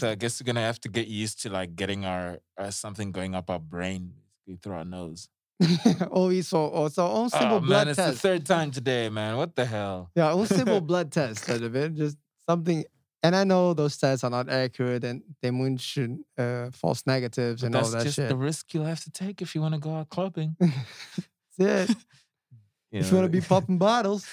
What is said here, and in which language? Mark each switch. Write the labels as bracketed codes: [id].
[en] So I guess we're going to have to get used to like getting our something going up our brain through our nose. [pt] Ou isso, ou só um [en] simple blood test. Oh man, it's the third time today, man. What the hell? Yeah, um simple blood test, [pt] tá vendo? [en] Just something. And I know those tests are not accurate and they munch false negatives but and all that shit. That's just the risk you'll have to take if you want to go out clubbing. That's it. You if know, you want to be popping bottles.